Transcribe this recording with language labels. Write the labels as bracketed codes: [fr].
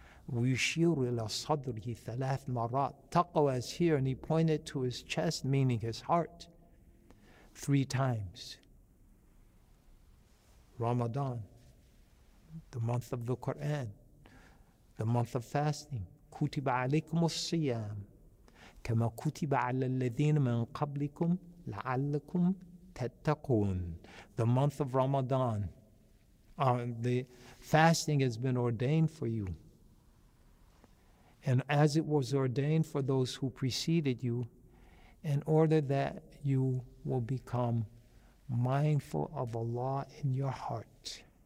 [ar] ويشير إلى صدره ثلاث مرات. [en] Taqwa is here, and he pointed to his chest, meaning his heart, three times. Ramadan, the month of the Quran, the month of fasting. [ar] كتب عليكم الصيام كما كتب على الذين من قبلكم لعلكم تتقون. [en] The month of Ramadan, the fasting has been ordained for you. And as it was ordained for those who preceded you, in order that you will become mindful of Allah in your heart.